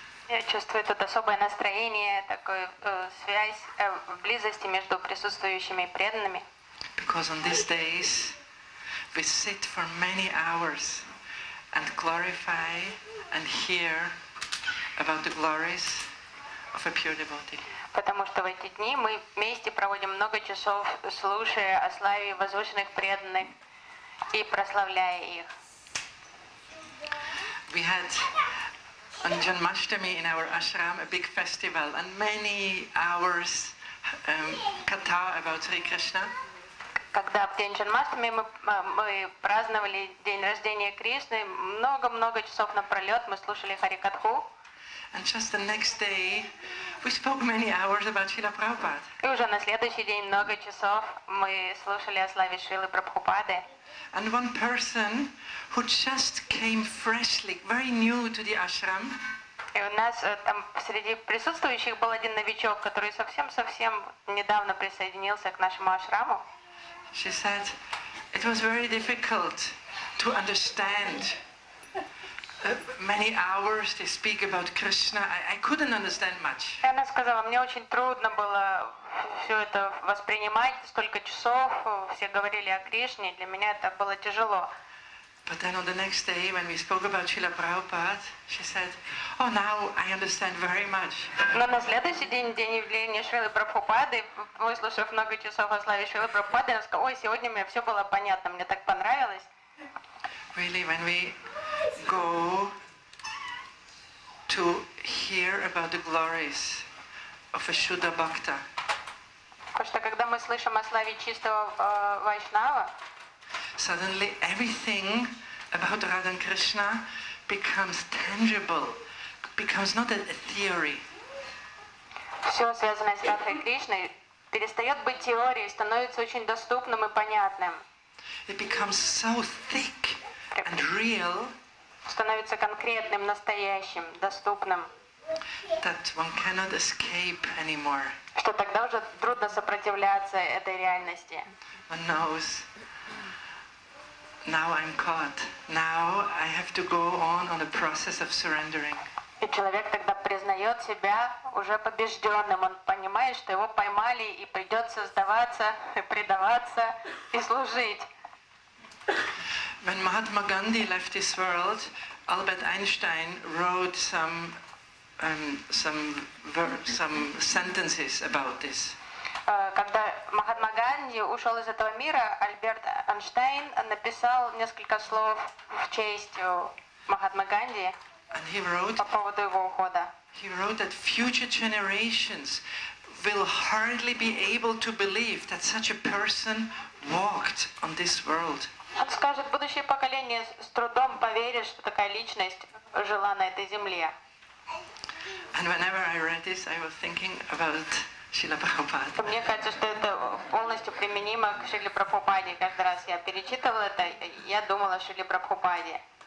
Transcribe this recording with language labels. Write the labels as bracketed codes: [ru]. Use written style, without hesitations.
[ru] Я чувствую тут особое настроение, такую связь, близости между присутствующими и преданными. [en] Because on these days we sit for many hours and glorify and hear about the glories of a pure devotee. [ru] Потому что в эти дни мы вместе проводим много часов, слушая о славе возвышенных преданных и прославляя их. [en] We had on Janmashtami in our ashram a big festival and many hours katha about Sri Krishna. [ru] Когда в день Джанмаштами мы праздновали день рождения Кришны, много-много часов напролет мы слушали Харикатху. [en] And just the next day, we spoke many hours about Srila Prabhupada. [ru] И уже на следующий день много часов мы слушали о славе Шрилы Прабхупады. [en] And one person who just came freshly, very new to the ashram. [ru] И у нас там среди присутствующих был один новичок, который совсем-совсем недавно присоединился к нашему ашраму. [en] She said, "It was very difficult to understand many hours they speak about Krishna. I couldn't understand much." [ru] Она сказала, мне очень трудно было все это воспринимать, столько часов все говорили о Кришне, для меня это было тяжело. [en] But then on the next day, when we spoke about Srila Prabhupada, she said, "Oh, now I understand very much." [ru] Но на следующий день явления Шрилы Прабхупады, выслушав много часов о славе Шрилы Прабхупады, она сказала, "Ой, сегодня мне все было понятно, мне так понравилось." [en] Really, when we go to hear about the glories of a Shuddha Bhakta. [ru] Потому что когда мы слышим о славе чистого вайшнава, [en] suddenly everything about Radha and Krishna becomes tangible, becomes not a theory. [ru] Все связанное с Радхой Кришной перестает быть теорией, становится очень доступным и понятным. [en] It becomes so thick and real, [ru] становится конкретным, настоящим, доступным, [en] that one cannot escape anymore. [ru] Что тогда уже трудно сопротивляться этой реальности. [en] One knows, now I'm caught. Now I have to go on the process of surrendering. [ru] И человек тогда признает себя уже побежденным. Он понимает, что его поймали и придется сдаваться, предаваться и служить. [en] When Mahatma Gandhi left this world, Albert Einstein wrote some sentences about this. [ru] Когда Махатма Ганди ушел из этого мира, Альберт Эйнштейн написал несколько слов в честь Махатмы Ганди по поводу его ухода. [en] He wrote that future generations will hardly be able to believe that such a person walked on this world. [ru] Он скажет, будущее поколение с трудом поверит, что такая личность жила на этой земле. [en] And whenever I read this, I was thinking about Шрила Прабхупада. [ru] Мне кажется, что это полностью применимо к Шриле Прабхупаде. Каждый раз я перечитывала это, я думала о Шриле Прабхупаде.